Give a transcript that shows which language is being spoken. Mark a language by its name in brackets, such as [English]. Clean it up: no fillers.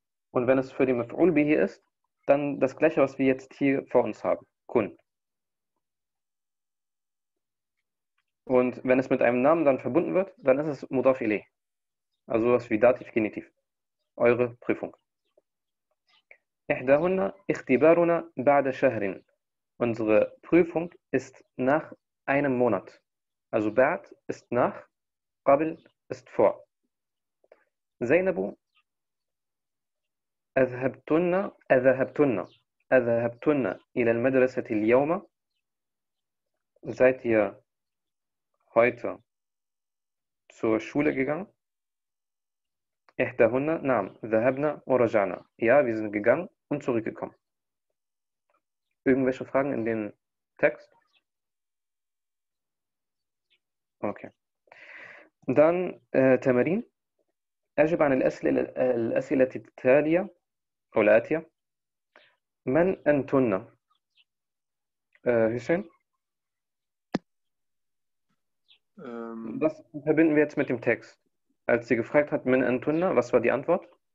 [German] Und wenn es für den Maf'ul bihi ist, dann das gleiche, was wir jetzt hier vor uns haben. Kun. Und wenn es mit einem Namen dann verbunden wird, dann ist es Mudaf ilay. Also sowas wie Dativ, Genitiv. Eure Prüfung. [Arabic] إحداهن اختبارنا بعد شهر. [German] Unsere Prüfung ist nach einem Monat. Also بعد ist nach, قبل ist vor. [Arabic] زينب أذهبتن إلى المدرسة اليوم. [German] Seid ihr heute zur Schule gegangen? [Arabic] إحداهن نعم ذهبنا ورجعنا. [German] Ja, wir sind gegangen und zurückgekommen. Irgendwelche Fragen in den Text? Okay. Dann Tamarin. [Arabic] أجب عن الأسئلة التالية أو الآتية. من أنتن؟ [German] حسين؟ Was verbinden wir jetzt mit dem Text? Als sie gefragt hat, [Arabic] من أنتن؟ [German] Was war die Antwort?